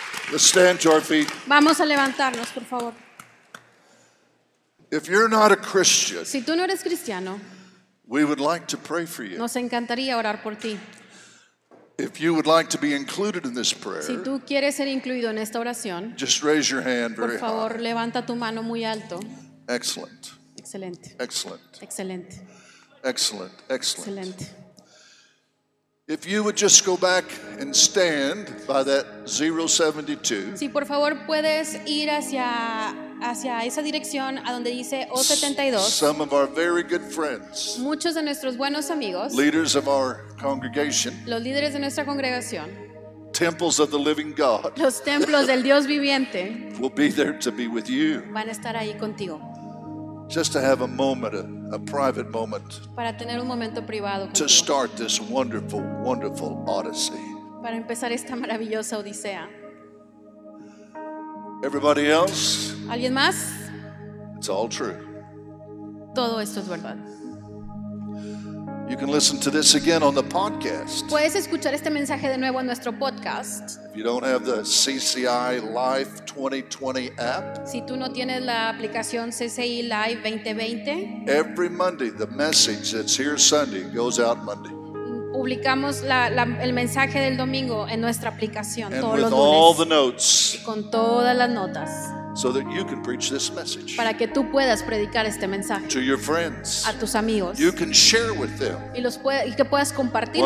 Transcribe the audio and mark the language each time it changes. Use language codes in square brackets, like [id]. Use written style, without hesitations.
[en] Let's stand to our feet. [es] Vamos a levantarnos, por favor. [en] If you're not a Christian, [es] si tú no eres cristiano, [en] we would like to pray for you. [es] Nos encantaría orar por ti. [en] If you would like to be included in this prayer, [es] si tú quieres ser incluido en esta oración, [en] just raise your hand very high. [es] Por favor, [en] high. [es] Levanta tu mano muy alto. [en] Excellent. [es] Excelente. [en] Excellent. [es] Excelente. [en] Excellent. Excellent. Excellent. If you would just go back and stand by that 072. [es] Si por favor puedes ir hacia esa dirección a donde dice 072. [en] Some of our very good friends. [es] Muchos de nuestros buenos amigos. [en] Leaders of our congregation. [es] Los líderes de nuestra congregación. [en] Temples of the living God. [es] Los templos del Dios viviente. [en] Will be there to be with you. [es] Van a estar ahí contigo. [en] Just to have a moment, a private moment, [es] para tener un momento privado [en] to start this wonderful, wonderful odyssey. [es] Para empezar esta maravillosa odisea. [en] Everybody else? [es] ¿Alguien más? [en] It's all true. [es] Todo esto es verdad. [en] You can listen to this again on the podcast. [es] Puedes escuchar este mensaje de nuevo en nuestro podcast. [en] If you don't have the CCI Live 2020 app, [es] si tú no tienes la aplicación CCI Live 2020, [en] every Monday the message that's here Sunday goes out Monday. [es] Publicamos el mensaje del domingo en nuestra aplicación [en] and [es] todos los lunes. [en] With all the notes. [es] Con todas las notas. [en] So that you can preach this message. [es] Para que tú puedas predicar este mensaje. [en] To your friends. [es] A tus amigos. [en] You can share with them. [es] Y que puedas compartir